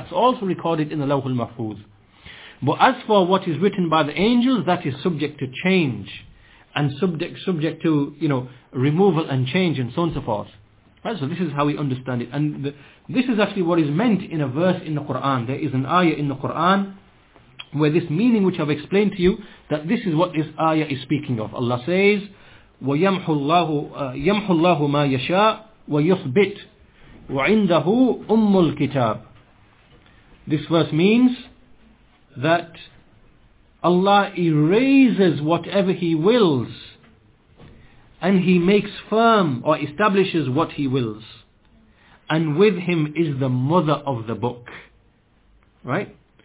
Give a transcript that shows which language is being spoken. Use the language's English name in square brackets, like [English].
[English] That's also recorded in the Lawhul Mahfuz. But as for what is written by the angels, that is subject to change and subject to, removal and change and so on and so forth. Right, so this is how we understand it. And this is actually what is meant in a verse in the Qur'an. There is an ayah in the Qur'an where this meaning which I've explained to you, that this is what this ayah is speaking of. Allah says, [Arabic] وَيَمْحُ اللَّهُ مَا يَشَاءُ وَيُثْبِتْ وَعِنْدَهُ أُمُّ الْكِتَابِ. [English] This verse means that Allah erases whatever He wills, and He makes firm or establishes what He wills. And with Him is the mother of the book. Right?